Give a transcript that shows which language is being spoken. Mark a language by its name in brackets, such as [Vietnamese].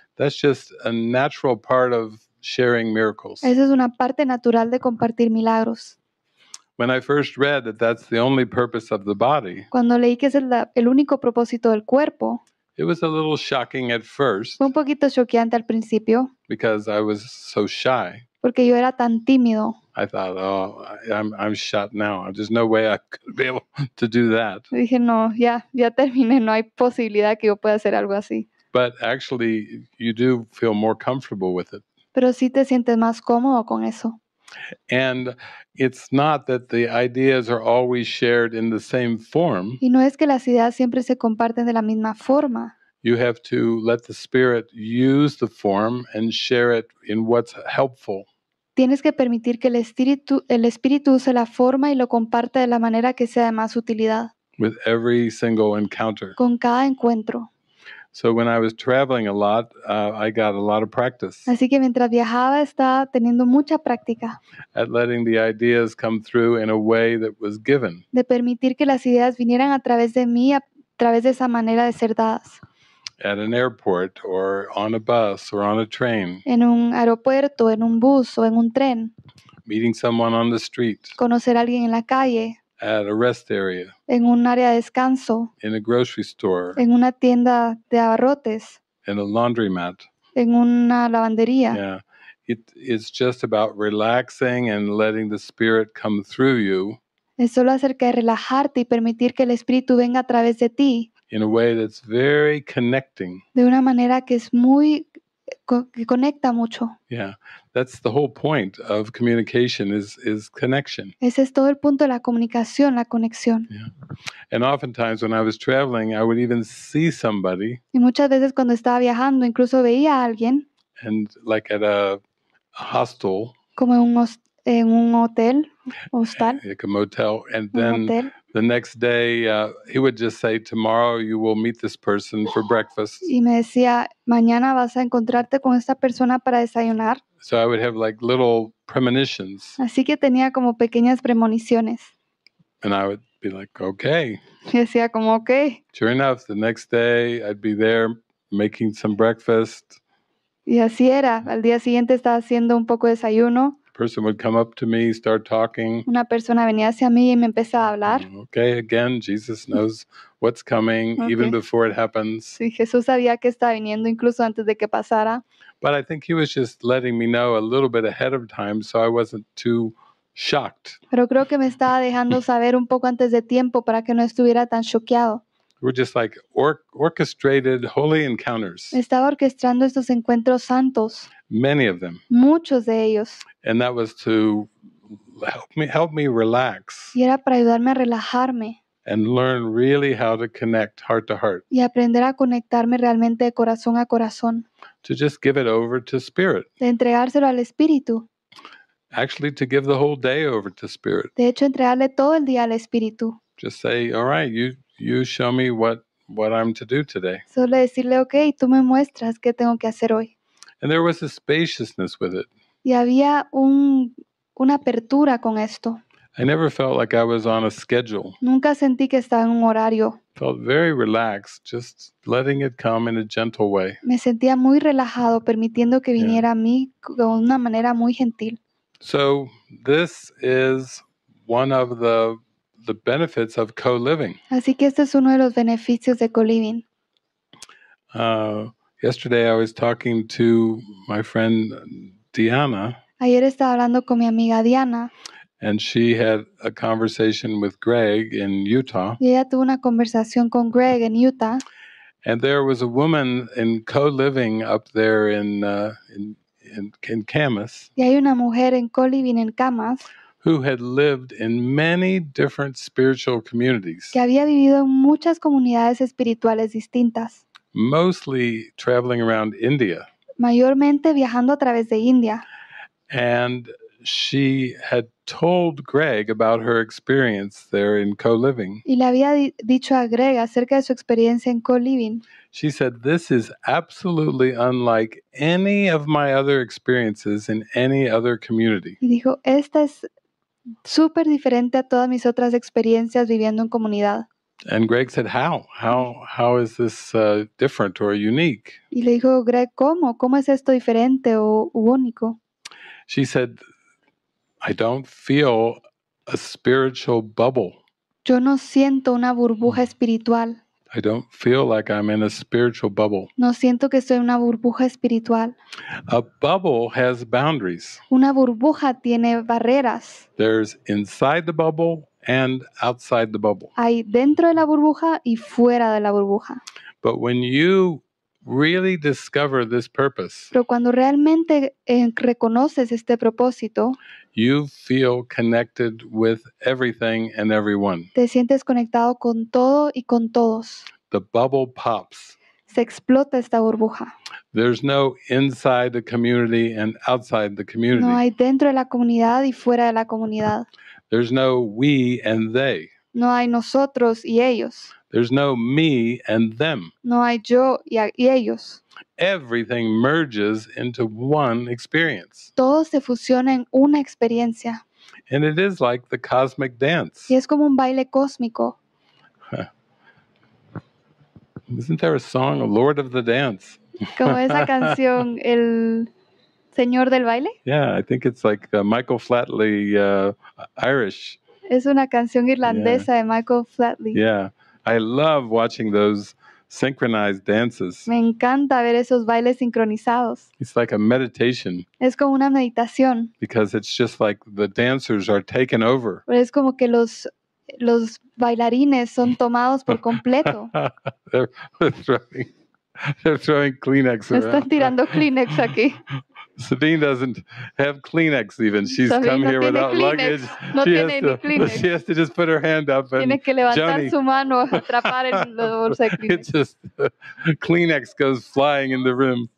[English] That's just a natural part of sharing miracles. [Spanish] Esa es una parte natural de compartir milagros. [English] When I first read that that's the only purpose of the body. [Spanish] Cuando leí que es el único propósito del cuerpo. [English] It was a little shocking at first. [Spanish] Fue un poquito choqueante al principio. [English] Because I was so shy. [Spanish] Porque yo era tan tímido. [English] I thought, oh, I'm shut now. There's no way I could be able to do that. [Spanish] Dije, no, ya terminé. No hay posibilidad que yo pueda hacer algo así. [English] But actually, you do feel more comfortable with it. [Spanish] Pero sí te sientes más cómodo con eso. [English] And it's not that the ideas are always shared in the same form. [Spanish] Y no es que las ideas siempre se comparten de la misma forma. [English] you have to let the spirit use the form and share it in what's helpful. [Spanish] Tienes que permitir que el espíritu use la forma y lo comparta de la manera que sea de más utilidad. [English] With every single encounter. [Spanish] Con cada encuentro. [English] So when I was traveling a lot, I got a lot of practice. [Spanish] Así que mientras viajaba estaba teniendo mucha práctica. [English] At letting the ideas come through in a way that was given. [Spanish] De permitir que las ideas vinieran a través de mí, a través de esa manera de ser dadas. [English] At an airport or on a bus or on a train. [Spanish] En un aeropuerto, en un bus o en un tren. [English] Meeting someone on the street. [Spanish] Conocer a alguien en la calle. [English] At a rest area. [Spanish] En un área de descanso. [English] In a grocery store. [Spanish] En una tienda de abarrotes. [English] In a laundromat. [Spanish] En una lavandería. [English] Yeah. It's just about relaxing and letting the spirit come through you. [Spanish] Es solo acerca de relajarte y permitir que el espíritu venga a través de ti. [English] In a way that's very connecting. [Spanish] De una manera que es muy que conecta mucho. [English] Yeah. That's the whole point of communication is connection. [Spanish] Ese es todo el punto de la comunicación, la conexión. [English] Yeah. And oftentimes when I was traveling, I would even see somebody. [Spanish] Y muchas veces cuando estaba viajando, incluso veía a alguien. [English] And like at a hostel. [Spanish] Como en un hotel. [English] Like a motel. And then hotel. The next day, he would just say, "Tomorrow you will meet this person for breakfast." [Spanish] Y me decía, "Mañana vas a encontrarte con esta persona para desayunar." [English] So I would have like little premonitions. [Spanish] Así que tenía como pequeñas premoniciones. [English] And I would be like, "Okay." [Spanish] Y decía como, "Okay." [English] Sure enough, the next day I'd be there making some breakfast. [Spanish] Y así era. Al día siguiente estaba haciendo un poco de desayuno. [English] Person would come up to me, start talking. [Spanish] Una persona venía hacia mí y me empezaba a hablar. [English] Okay, again, Jesus knows what's coming okay. Even before it happens. [Spanish] Sí, Jesús sabía que estaba viniendo incluso antes de que pasara. [English] But I think he was just letting me know a little bit ahead of time so I wasn't too shocked. [Spanish] Pero creo que me estaba dejando saber un poco antes de tiempo para que no estuviera tan choqueado. [English] We're just like orchestrated holy encounters. [Spanish] Estaba orquestando estos encuentros santos. [English] Many of them. [Spanish] Muchos de ellos. [English] And that was to help me relax. [Spanish] Y era para ayudarme a relajarme. [English] And learn really how to connect heart to heart. [Spanish] Y aprender a conectarme realmente de corazón a corazón. [English] To just give it over to spirit. [Spanish] De entregárselo al espíritu. [English] Actually, to give the whole day over to spirit. [Spanish] De hecho, entregarle todo el día al espíritu. [English] Just say, "All right, you show me what I'm to do today." [Spanish] Solo decirle, "Okay, tú me muestras qué tengo que hacer hoy." [English] And there was a spaciousness with it. [Spanish] Y había una apertura con esto. [English] I never felt like I was on a schedule. [Spanish] Nunca sentí que estaba en un horario. [English] Felt very relaxed, just letting it come in a gentle way. [Spanish] Me sentía muy relajado, permitiendo que viniera a mí de una manera muy gentil. [English] So this is one of the benefits of co-living. [Spanish] Así que este es uno de los beneficios de co-living. [English] Yesterday I was talking to my friend Diana. [Spanish] Ayer estaba hablando con mi amiga Diana. [English] And she had a conversation with Greg in Utah. [Spanish] Y ella tuvo una conversación con Greg en Utah. [English] And there was a woman in co-living up there in Camas. [Spanish] Y hay una mujer en co-living en Camas. [English] Who had lived in many different spiritual communities. [Spanish] Que había vivido en muchas comunidades espirituales distintas. [English] Mostly traveling around India. [Spanish] Mayormente viajando a través de India. [English] And she had told Greg about her experience there in co-living. [Spanish] Y le había dicho a Greg acerca de su experiencia en co-living. [English] She said, "This is absolutely unlike any of my other experiences in any other community." [Spanish] Y dijo, "Esta es súper diferente a todas mis otras experiencias viviendo en comunidad." [English] And Greg said, "How is this different or unique?" [Spanish] Y le dijo Greg, ¿Cómo es esto diferente o único? [English] She said, "I don't feel a spiritual bubble." [Spanish] Yo no siento una burbuja espiritual. [English] I don't feel like I'm in a spiritual bubble. [Spanish] No siento que estoy en una burbuja espiritual. [English] A bubble has boundaries. [Spanish] Una burbuja tiene barreras. [English] There's inside the bubble. And outside the bubble. [Spanish] Hay dentro de la burbuja y fuera de la burbuja. [English] But when you really discover this purpose, [Spanish] pero cuando realmente reconoces este propósito, [English] you feel connected with everything and everyone. [Spanish] Te sientes conectado con todo y con todos. [English] The bubble pops. [Spanish] se explota esta burbuja. [English] There's no inside the community and outside the community. [Spanish] No hay dentro de la comunidad y fuera de la comunidad. [English] There's no we and they. [Spanish] No hay nosotros y ellos. [English] There's no me and them. [Spanish] No hay yo y ellos. [English] Everything merges into one experience. [Spanish] Todo se fusiona en una experiencia. [English] And it is like the cosmic dance. [Spanish] Y es como un baile cósmico. [English] Isn't there a song, Lord of the Dance? [Spanish] Como esa canción, El Señor del Baile? [English] Yeah, I think it's like Michael Flatley, Irish. [Spanish] Es una canción irlandesa de Michael Flatley. [English] Yeah, I love watching those synchronized dances. [Spanish] Me encanta ver esos bailes sincronizados. [English] It's like a meditation. [Spanish] Es como una meditación. [English] Because it's just like the dancers are taken over. [Spanish] Pero es como que los bailarines son tomados por completo. [English] They're throwing Kleenex around. [Spanish] Están tirando Kleenex aquí. [English] Sabine doesn't have Kleenex even. She's Sabine come [Spanish] no [English] here without Kleenex. Luggage. [Spanish] No [English] she, [Spanish] tiene [English] has [Spanish] ni [English] to, she has to just put her hand up and [Spanish] tiene que levantar Johnny. Su mano a atrapar el bolsa de Kleenex. [English] It just Kleenex goes flying in the room.